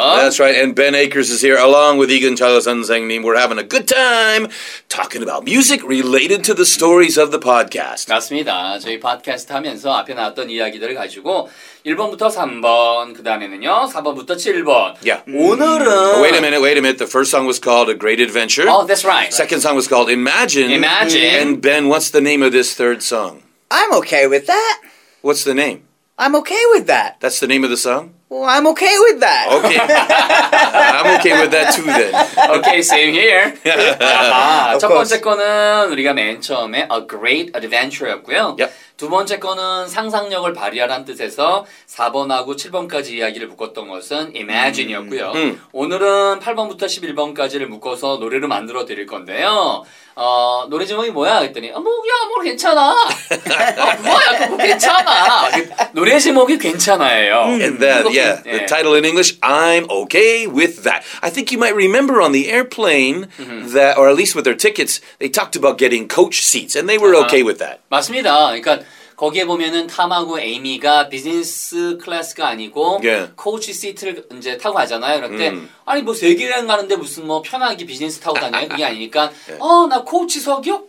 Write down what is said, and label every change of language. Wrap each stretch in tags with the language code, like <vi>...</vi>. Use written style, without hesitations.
<en>That's right, and Ben Akers is here along with Egan Tyler 선생님. We're having a good time talking about music related to the stories of the podcast.</en> <ko>맞습니다. 저희 팟캐스트 하면서 앞에 나왔던 이야기들을 가지고 1번부터 3번, 그 다음에는요, 4번부터 7번.</ko> <en>Yeah.</en> <ko>오늘은...</ko> <en>Wait a minute. The first song was called A Great Adventure. Oh, that's right. Second song was called Imagine. Imagine. And Ben, what's the name of this third song? I'm okay with that. What's the name? I'm okay with that. That's the name of the song? Well, I'm okay with that. Okay. I'm okay with that too then. Okay, same here.</en> <ko>첫 번째 거는 우리가 맨 처음에 A Great Adventure였고요.</ko> <en>Yep.</en> <ko>두 번째 거는 상상력을 발휘하라는 뜻에서 4번하고 7번까지 이야기를 묶었던 것은 Imagine이었고요. 오늘은 8번부터 11번까지를 묶어서 노래를 만들어 드릴 건데요. 노래 제목이 뭐야? 했더니 뭐 괜찮아. 뭐야? 그거 괜찮아. 노래 제목이 괜찮아예요.</ko> <en>And then, yeah, the title in English, I'm okay with that. I think you might remember on the airplane that, or at least with their tickets, they talked about getting coach seats, and they were okay with that.</en> <ko>맞습니다. 그러니까 거기에 보면은 탐하고 에이미가 비즈니스 클래스가 아니고 코치 시트를 이제 타고 가잖아요. 그런데 아니 뭐 세계여행 가는데 무슨 뭐 편하게 비즈니스 타고 다녀요? 그게 아니니까 나 코치석이요?</ko>